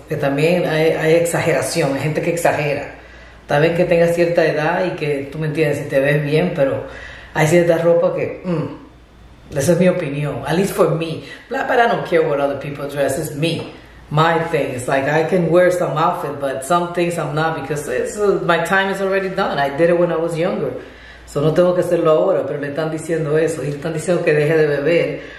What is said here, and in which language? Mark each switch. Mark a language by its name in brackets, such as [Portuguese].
[Spanish] Que también hay exageración, hay gente que exagera. Está bien que tengas cierta edad y que tú me entiendes si te ves bien, pero hay cierta ropa que, esa es mi opinión, [English] at least for me. But I don't care what other people dress, it's me. My thing, it's like I can wear some outfit, but some things I'm not, because my time is already done. I did it when I was younger. [Spanish] So no tengo que hacerlo ahora, pero le están diciendo eso. Y le están diciendo que deje de beber.